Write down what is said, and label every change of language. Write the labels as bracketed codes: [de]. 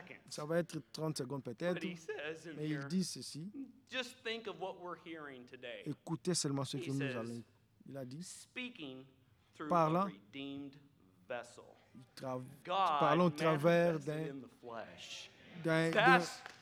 [fr] Ça va être 30 secondes peut-être, mais il dit ceci. [en] Just think of what we're hearing today. [fr] Écoutez seulement ce que nous allons. Il a dit, [en] speaking through [fr] parlant, [en] a redeemed vessel. [fr] Parlons au travers d'un vase.